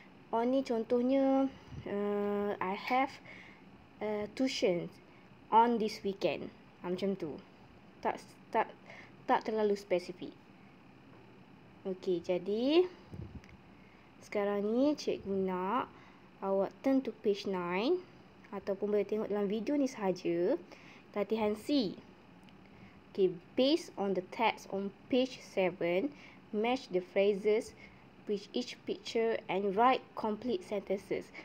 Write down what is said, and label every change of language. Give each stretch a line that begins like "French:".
Malay: On ni contohnya,
English: I have tuition on this weekend.
Malay: Ha, macam tu. Tak terlalu spesifik. Okey, jadi sekarang ni cikgu nak awak
English: turn to page 9
Malay: ataupun boleh tengok dalam video ni sahaja. Latihan C.
English: Okay, based on the text on page 7, match the phrases with each picture and write complete sentences.